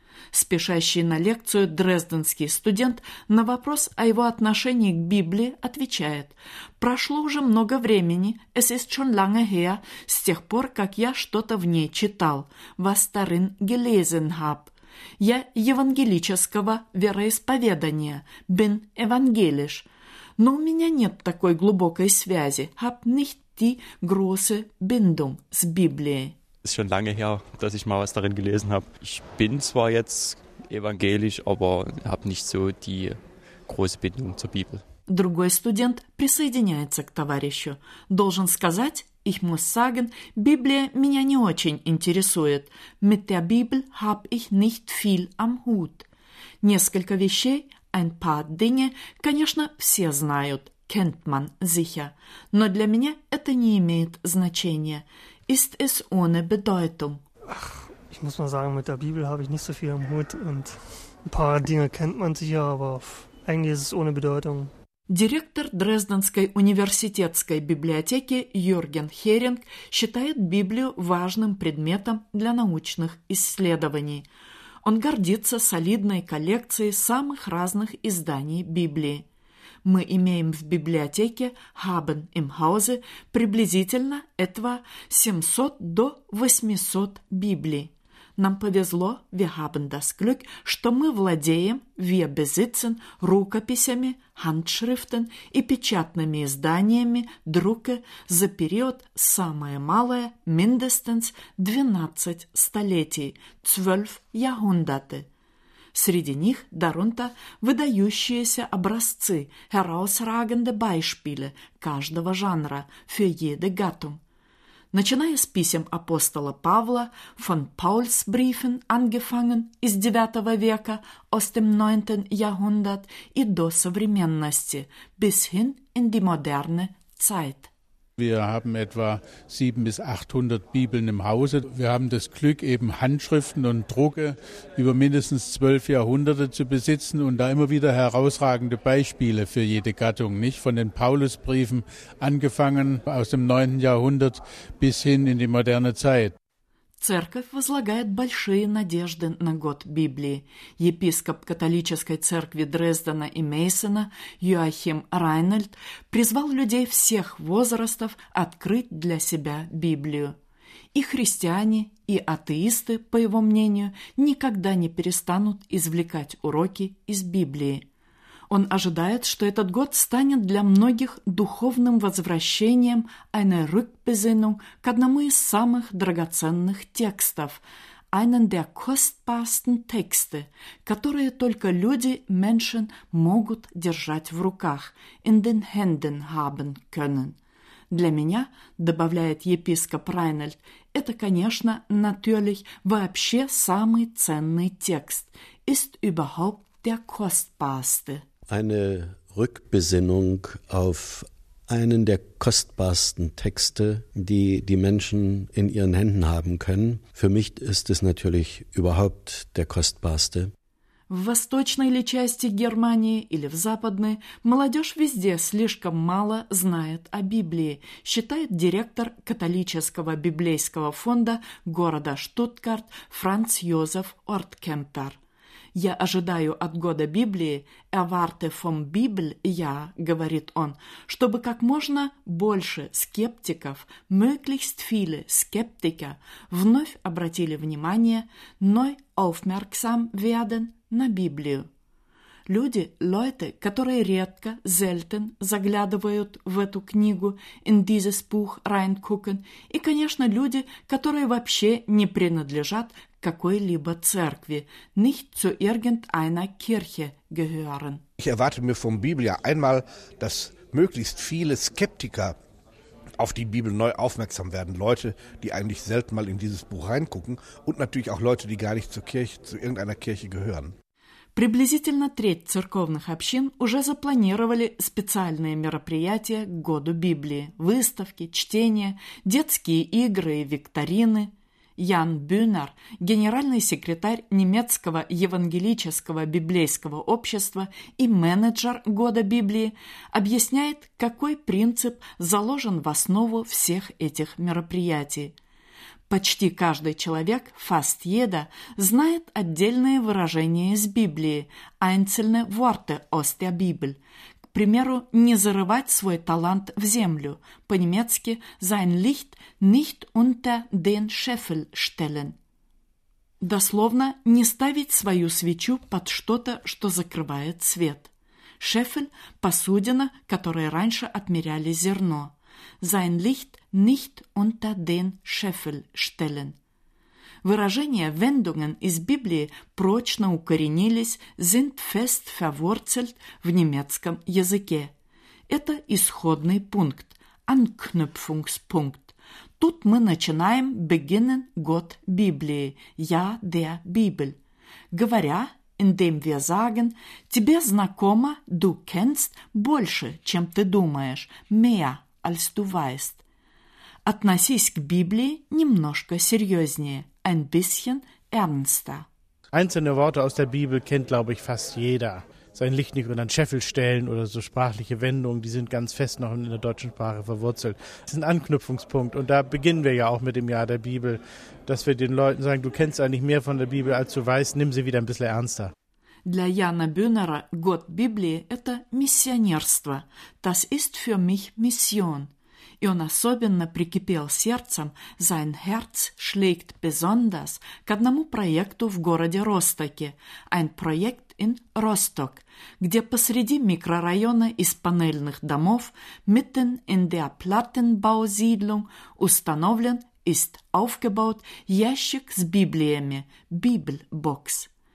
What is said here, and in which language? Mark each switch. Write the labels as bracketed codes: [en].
[ru] Спешащий на лекцию дрезденский студент на вопрос о его отношении к Библии отвечает: «Прошло уже много времени, [de] es ist schon lange her, [ru] с тех пор, как я что-то в ней читал, [de] was darin gelesen hab. [ru] Я евангелического вероисповедания, [de] bin evangelisch, [ru] но у меня нет такой глубокой связи, [de] hab nicht die große Bindung [ru] с Библией». [de] Es ist schon lange her, dass ich mal was darin gelesen habe. Ich bin zwar jetzt evangelisch, aber habe nicht so die große Bindung zur Bibel. [ru] Другой студент присоединяется к товарищу. Должен сказать, [de] ich muss sagen, [ru] Библия меня не очень интересует. [de] Mit der Bibel habe ich nicht viel am Hut. [ru] Несколько вещей, [de] ein paar Dinge, [ru] конечно, все знают. [de] Kennt man sicher. [ru] Но для меня это не имеет значения. [de] Ist es ohne Bedeutung? Ach, ich muss mal sagen, mit der Bibel habe ich nicht so viel am Hut und ein paar Dinge kennt man sicher, aber eigentlich ist es ohne Bedeutung. [ru] Директор Дрезденской университетской библиотеки Юрген Херинг считает Библию важным предметом для научных исследований. Он гордится солидной коллекцией самых разных изданий Библии. Мы имеем в библиотеке [de] «Haben im Hause» [ru] приблизительно этого 700 до 800 Библий. Нам повезло, [de] wir haben das Glück, [ru] что мы владеем, [de] wir besitzen, [ru] рукописями, [de] Handschriften [ru] и печатными изданиями, [de] Drucke, [ru] за период самое малое, [de] mindestens [ru] 12 столетий, [de] 12 Jahrhunderte. [ru] Среди них, [de] darunter, [ru] выдающиеся образцы, [de] herausragende Beispiele [ru] каждого жанра, [de] für jede Gattung. [ru] Начиная с писем апостола Павла, [de] von Pauls Briefen angefangen, [ru] из 9 века, [de] aus dem 9. Jahrhundert, [ru] и до современности, [de] bis hin in die moderne Zeit. Wir haben etwa 700 bis 800 Bibeln im Hause. Wir haben das Glück, eben Handschriften und Drucke über mindestens 12 Jahrhunderte zu besitzen und da immer wieder herausragende Beispiele für jede Gattung, nicht? Von den Paulusbriefen angefangen aus dem 9. Jahrhundert bis hin in die moderne Zeit. [ru] Церковь возлагает большие надежды на год Библии. Епископ католической церкви Дрездена и Мейсена Йоахим Райнольд призвал людей всех возрастов открыть для себя Библию. И христиане, и атеисты, по его мнению, никогда не перестанут извлекать уроки из Библии. Он ожидает, что этот год станет для многих духовным возвращением, [de] einer Rückbesinnung, [ru] к одному из самых драгоценных текстов, [de] einen der kostbarsten Texte, [ru] которые только люди, [de] Menschen, [ru] могут держать в руках, [de] in den Händen haben können. [ru] Для меня, добавляет епископ Райнольд, это, конечно, [de] natürlich, [ru] вообще самый ценный текст, [de] ist überhaupt der kostbarste. Eine Rückbesinnung auf einen der kostbarsten Texte, die die Menschen in ihren Händen haben können. Für mich ist es natürlich überhaupt der kostbarste. [ru] В восточной ли части Германии или в западной, молодежь везде слишком мало знает о Библии, считает директор католического библейского фонда города Штутгарт Франц Йозеф Орткемпер. «Я ожидаю от года Библии, [de] erwarte vom Bibel, [ru] я, говорит он, чтобы как можно больше скептиков, [de] möglichst viele Skeptiker, [ru] вновь обратили внимание, [de] neu aufmerksam werden [ru] на Библию. Люди, [de] Leute, [ru] которые редко, [de] selten, [ru] заглядывают в эту книгу, [de] in dieses Buch reingucken, [ru] и, конечно, люди, которые вообще не принадлежат какой-либо церкви, [de] nicht zu irgendeiner Kirche gehören. Ich erwarte mir vom Bibel ja einmal, dass möglichst viele Skeptiker auf die Bibel neu aufmerksam werden. Leute, die eigentlich selten mal in dieses Buch reingucken und natürlich auch Leute, die gar nicht zur Kirche, zu irgendeiner Kirche gehören. [ru] Приблизительно треть церковных общин уже запланировали специальные мероприятия к году Библии, выставки, чтения, детские игры и викторины. Ян Бюнер, генеральный секретарь немецкого евангелического библейского общества и менеджер года Библии, объясняет, какой принцип заложен в основу всех этих мероприятий. Почти каждый человек, [de] fast jeder, [ru] знает отдельные выражения из Библии, [de] einzelne Worte aus der Bibel. [ru] К примеру, не зарывать свой талант в землю, по-немецки [de] sein Licht nicht unter den Scheffel stellen. [ru] Дословно, не ставить свою свечу под что-то, что закрывает свет. Scheffel – посудина, которой раньше отмеряли зерно. [de] Sein Licht nicht unter den Scheffel stellen. [ru] Выражения, [de] Wendungen [ru] из Библии прочно укоренились, [de] sind fest verwurzelt [ru] в немецком языке. Это исходный пункт, [de] Anknüpfungspunkt. [ru] Тут мы начинаем, [de] beginnen [ru] год Библии, [de] ja der Bibel. [ru] Говоря, [de] indem wir sagen, [ru] тебе знакомо, [de] du kennst, [ru] больше, чем ты думаешь, [de] mehr. Als du weißt. [ru] Относись к Библии немножко серьезнее, [de] ein bisschen ernster. Einzelne Worte aus der Bibel kennt, glaube ich, fast jeder. Sein Licht nicht unter den Scheffel stellen oder so sprachliche Wendungen, die sind ganz fest noch in der deutschen Sprache verwurzelt. Das ist ein Anknüpfungspunkt und da beginnen wir ja auch mit dem Jahr der Bibel, dass wir den Leuten sagen, du kennst eigentlich mehr von der Bibel, als du weißt, nimm sie wieder ein bisschen ernster. [ru] Для Яна Бюнера год Библии – это миссионерство. [de] Das ist für mich Mission. [ru] И он особенно прикипел сердцем, [de] sein Herz schlägt besonders, [ru] к одному проекту в городе Ростоке, [de] ein Projekt in Rostock, [ru] где посреди микрорайона из панельных домов, [de] mitten in der Plattenbausiedlung, [ru] установлен, [de] ist aufgebaut, [ru] ящик с Библиями, [de] Bibelbox.